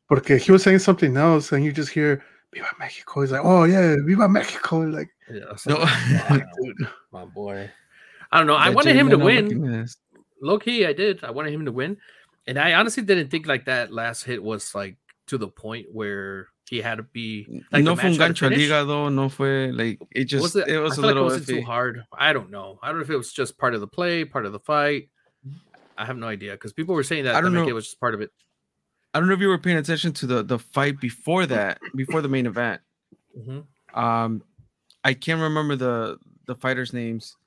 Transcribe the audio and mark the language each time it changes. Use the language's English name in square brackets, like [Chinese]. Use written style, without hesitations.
[Spanish] Porque [English] he was saying something else, and you just hear, [Spanish] Viva Mexico. [English] He's like, oh, yeah, Viva Mexico. Like, yeah, like, no. My boy. I don't know. I wanted him to win. Low key, I did. I wanted him to win. And I honestly didn't think, like, that last hit was, like, to the point where he had to be, like, [Spanish] no fue un gancho al hígado, no fue, [English] like, it just was it was I a little like it too hard. I don't know. I don't know if it was just part of the play, part of the fight. I have no idea because people were saying that it was just part of it. I don't know if you were paying attention to the fight before that, before the main event. Mm-hmm. I can't remember the fighters' names.